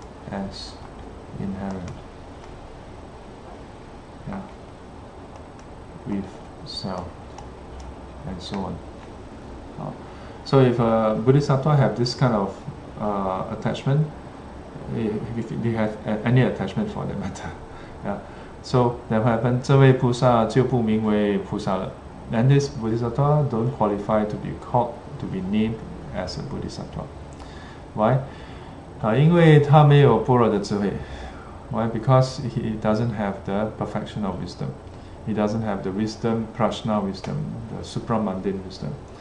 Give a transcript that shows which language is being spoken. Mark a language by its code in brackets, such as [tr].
[en] As inherent, yeah, with self, and so on. So if a bodhisattva have this kind of attachment, if they have any attachment for that matter, yeah. So then what happened? [zh] 这位菩萨就不名为菩萨了. [en] And this bodhisattva don't qualify to be called, to be named as a bodhisattva. Why? [zh] 因为他没有般若的智慧. [en] Why? Because he doesn't have the perfection of wisdom. He doesn't have the wisdom, prajna wisdom, the supramundane wisdom.